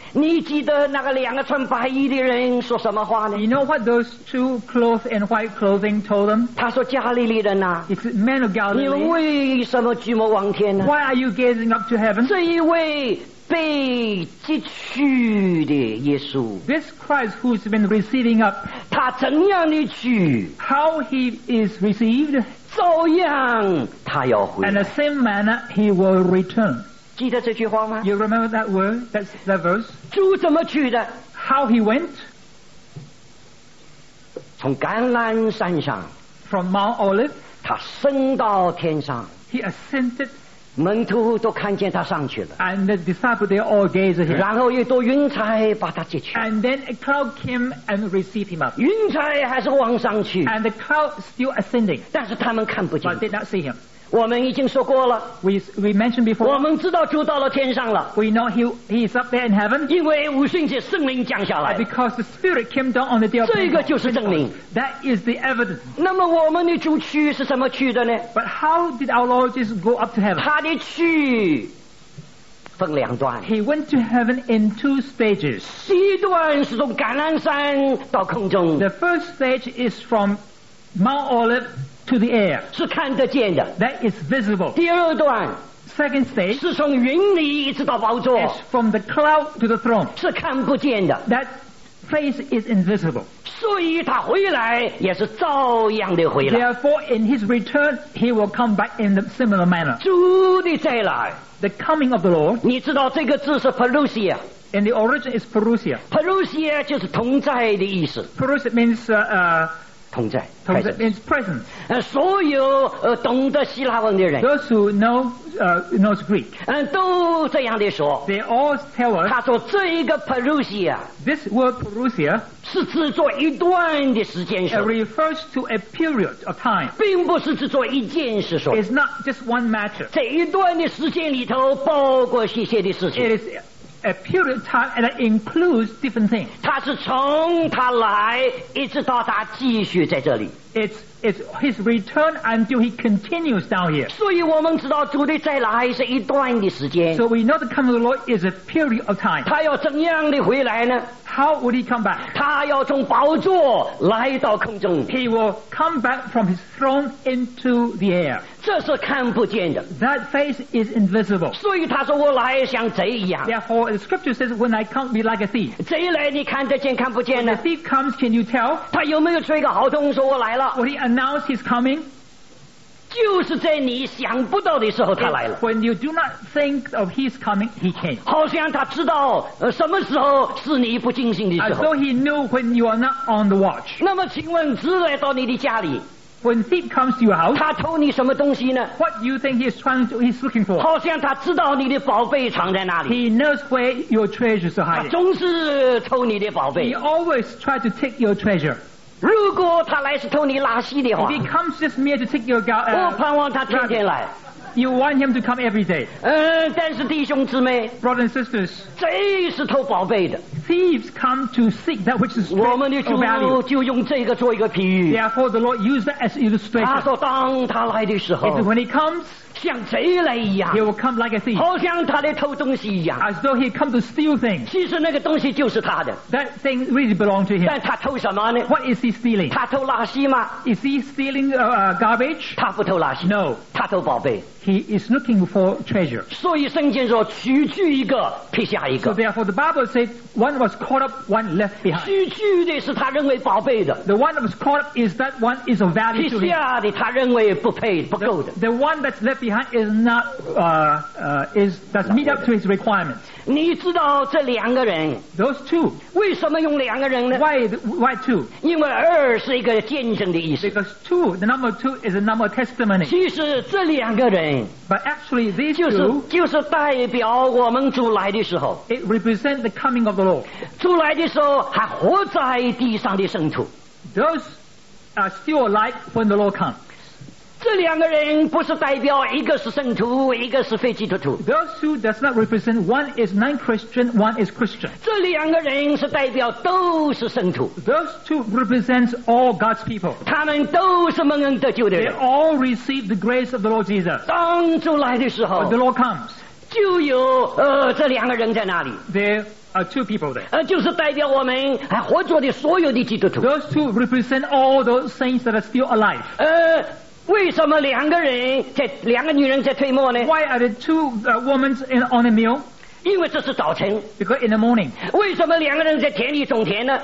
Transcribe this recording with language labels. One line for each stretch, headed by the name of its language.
Chinese: 你记得那个两个穿白衣的人说什么话呢？
English: You know what those two clothes and white clothing told them?
Chinese: 他说加利利人啊。
English: It's men of Galilee.
Chinese: 你们为什么举目望天呢？
English: Why are you gazing up to heaven?
Chinese: 这一位被接去的耶稣
English: This Christ who's been receiving up
Chinese: 他怎样的去
English: How he is received
Chinese: 照样他要回来
English: And the same manner he will return
Chinese: 记得这句话吗
English: You remember that word? That's the verse
Chinese: 主怎么去的
English: How he went
Chinese: 从橄榄山上
English: From Mount Olive
Chinese: 他升到天上
English: He ascended
Chinese: 门徒都看见他上去了
English: and the disciples they all gaze at him
Chinese: 然后一朵云彩把他接去
English: and then a cloud came and received him up
Chinese: 云彩还是往上去
English: and the cloud still ascending
Chinese: 但是他们看不见
English: but did not see him
Chinese: 我们已经说过了
English: we mentioned before
Chinese: 我们知道主到了天上了
English: we know he is up there in heaven
Chinese: 因为五旬节圣灵降下来
English: because the spirit came down on the day of
Chinese: Pentecost 这个就是证明
English: that is the evidence
Chinese: 那么我们的主去是什么去的呢
English: but how did our Lord Jesus go up to heaven
Chinese: 他的去分两段
English: he went to heaven in two stages
Chinese: 第一段是从橄榄山到空中
English: the first stage is from Mount Olive To the air.
Chinese: 是看得见的
English: That is visible.
Chinese: 第二段
English: Second stage.
Chinese: 是从云里一直到宝座
English: It's from the cloud to the throne.
Chinese: 是看不见的
English: That face is invisible.
Chinese: 所以他回来也是照样的回来
English: Therefore, in his return, he will come back in a similar manner.
Chinese: 主的再来
English: The coming of the Lord.
Chinese: 你知道这个字是 parousia.
English: And the origin is parousia.
Chinese: Parousia 就是同在的意思。
English: Parousia means
Chinese: 同在。
English: 同在 means presence.
Chinese: 所有懂得希腊文的人。
English: Those who know knows Greek.
Chinese: 都这样的说。
English: They all tell us.
Chinese: 他说这一个 parousia.
English: This word parousia.
Chinese: 是指做一段的时间说。
English: It refers to a period of time.
Chinese: 并不是指做一件事说。
English: It's not just one matter.
Chinese: 这一段的时间里头包括一些的事情。
English: It is,a period of time and it includes different things.
Chinese: 他是从他来一直到他继续在这里。
English: It's his return until he continues down here.
Chinese: 所以我们知道主的再来是一段的时间。
English: So we know the coming of the Lord is a period of time.
Chinese: 他要怎样的回来呢？
English: How would he come back?
Chinese: 他要从宝座来到空中。
English: He will come back from his throne into the air.
Chinese: 这是看不见的。
English: That face is invisible.
Chinese: 所以他说我来像贼一样。
English: Therefore, the scripture says, when I come, be like a thief.
Chinese: 贼来你看得见看不见呢？
English: When the thief comes, can you tell?
Chinese: 他有没有吹个号筒说我来了？
English: When he announced his coming,
Chinese: 就是在你想不到的时候他来了。
English: When you do not think of his coming, he came.
Chinese: 好像他知道什么时候是你不尽心的时候。
English: So he knew when you are not on the watch.
Chinese: 那么请问直来到你的家里。
English: When thief comes to your house,
Chinese: 他偷你什么东西呢？
English: What do you think he's looking for?
Chinese: 好像他知道你的宝贝藏在哪里。
English: He knows where your treasures are hiding.
Chinese: 他总是偷你的宝贝。
English: He always tries to take your treasure.
Chinese: 如果他来是偷你拉稀的话
English: If he comes just mere to take your gout,
Chinese: 我盼望他天天来
English: You want him to come every day
Chinese: 但是弟兄姊妹
English: Brothers and sisters
Chinese: 贼是偷宝贝的
English: Thieves come to seek that which is strength or value
Chinese: 我们的主就用这个做一个比喻
English: Therefore the Lord used that as illustration
Chinese: 他说当他来的时候
English: When he comes
Chinese: 像贼来一样
English: He will come like a thief
Chinese: 好像他来偷东西一样
English: As though he come to steal things
Chinese: 其实那个东西就是他的
English: That thing really belonged to him
Chinese: 但他偷什么呢
English: What is he stealing
Chinese: 他偷垃圾吗
English: Is he stealing garbage
Chinese: 他不偷垃圾
English: No
Chinese: 他偷宝贝
English: He is looking for treasure
Chinese: 所以圣经说取去一个撇下一个
English: So therefore the Bible says one was caught up one left behind
Chinese: 取去的是他认为宝贝的
English: The one that was caught up is that one is of value to him
Chinese: 撇下的他认为不配不够的
English: the one that's left behindis not is that's meet up to his requirements
Chinese: 你知道这两个人
English: those two
Chinese: 为什么用两个人呢
English: why two
Chinese: 因为二是一个见证的意思
English: because two the number two is a number of testimony
Chinese: 其实这两个人
English: but actually these two
Chinese: 就是代表我们主来的时候
English: it represents the coming of the Lord
Chinese: 主来的时候还活在地上的圣徒
English: those are still alive when the Lord comes
Chinese: 这两个人不是代表一个是圣徒一个是非基督徒
English: those who does not represent one is non-Christian one is Christian
Chinese: 这两个人是代表都是圣徒
English: those two represents all God's people
Chinese: 他们都是蒙恩得救的人
English: they all receive the grace of the Lord Jesus
Chinese: 当主来的时候
English: when the Lord comes
Chinese: 就有这两个人在哪里
English: there are two people there
Chinese: 就是代表我们还活着的所有的基督徒
English: those two represent all those saints that are still alive
Chinese: 为什么两个女人在推磨呢
English: Why are the two women on a meal?
Chinese: 因为这是早晨
English: Because in the morning
Chinese: 为什么两个人在田里种田呢